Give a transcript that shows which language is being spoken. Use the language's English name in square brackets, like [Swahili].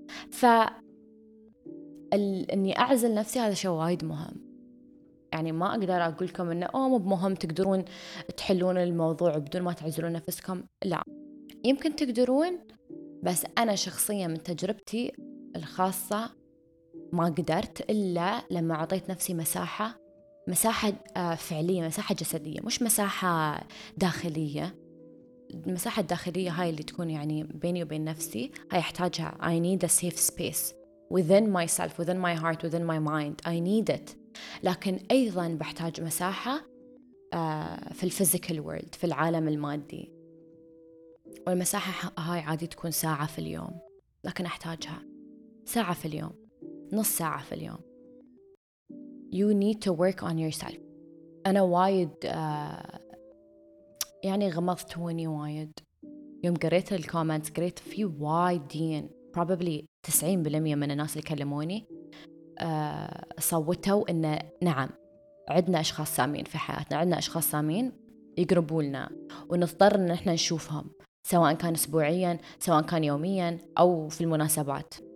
[Arabic] ف اني اعزل نفسي هذا شيء وايد مهم، يعني ما اقدر اقول لكم انه او مو مهم تقدرون تحلون الموضوع بدون ما تعزلون نفسكم، لا يمكن تقدرون، بس انا شخصيا من تجربتي الخاصه ما قدرت الا لما عطيت نفسي مساحه، مساحه فعليه، مساحه جسديه، مش مساحه داخليه. المساحه الداخليه هاي اللي تكون يعني بيني وبين نفسي، هاي احتاجها. [English] I need a safe space within myself, within my heart, within my mind. I need it. [Arabic] لكن ايضا بحتاج مساحه في الفيزيكال وورلد، في العالم المادي. والمساحه هاي عادي تكون ساعه في اليوم، لكن احتاجها ساعه في اليوم، نص ساعه في اليوم. [English] You need to work on yourself. [Arabic] انا وايد يعني غمضت وني وايد يوم قريت الكومنتس، قريت في وايدين، probably 90% من الناس اللي كلموني صوتوا إن نعم عندنا أشخاص سامين في حياتنا، عندنا أشخاص سامين يقربوا لنا ونضطر إن إحنا نشوفهم، سواء كان أسبوعيا، سواء كان يوميا، أو في المناسبات.